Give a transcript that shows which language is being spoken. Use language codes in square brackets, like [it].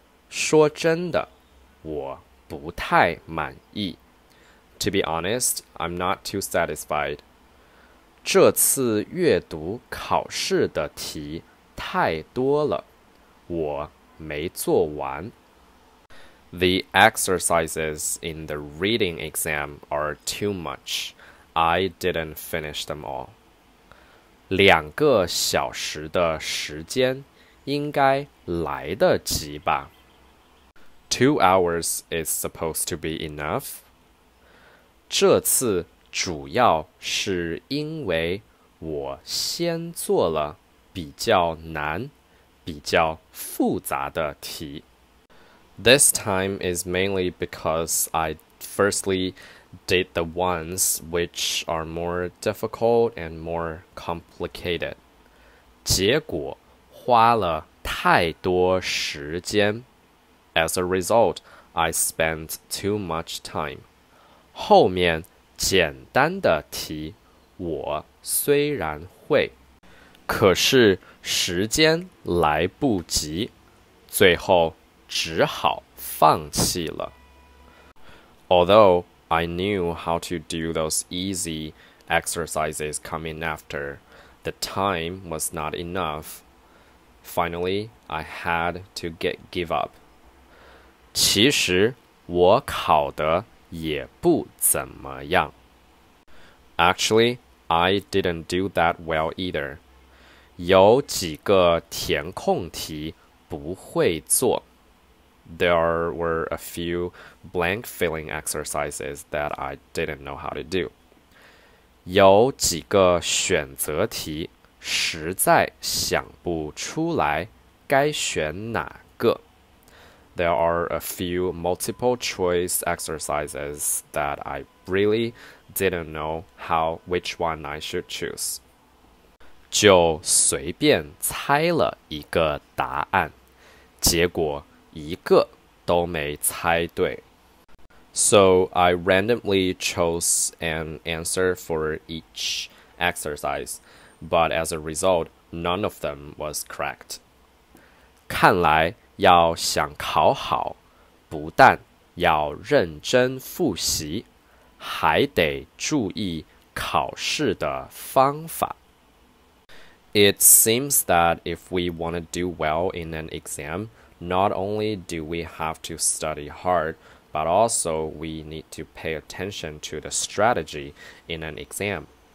[zh] 说真的，我不太满意。 [en] To be honest, I'm not too satisfied. [zh] 这次阅读考试的题太多了，我没做完。 [en] The exercises in the reading exam are too much. I didn't finish them all. [zh] 两个小时的时间应该来得及吧。 [en] Two hours is supposed to be enough. [zh] 这次主要是因为我先做了比较难比较复杂的题。 [en] This time is mainly because I firstly did the ones which are more difficult and more complicated. [zh] 结果花了太多时间。 [en] As a result, I spent too much time. [zh] 后面简单的题我虽然会，可是时间来不及，最后只好放弃了。 [en] Although I knew how to do those easy exercises coming after, the time was not enough. Finally, I had to give up. [zh] 其实我考得也不怎么样。 [en] Actually, I didn't do that well either. [zh] 有几个填空题不会做。 [en] There were a few blank filling exercises that I didn't know how to do. [zh] 有几个选择题实在想不出来该选哪个。 [en] There are a few multiple choice exercises that I really didn't know which one I should choose. [zh] 就随便猜了一个答案，结果一个都没猜对。 [en] So I randomly chose an answer for each exercise, but as a result, none of them was correct. [zh] 看来要想考好，不但要认真复习，还得注意考试的方法。 [en] It seems that if we want to do well in an exam, not only do we have to study hard, but also we need to pay attention to the strategy in an exam.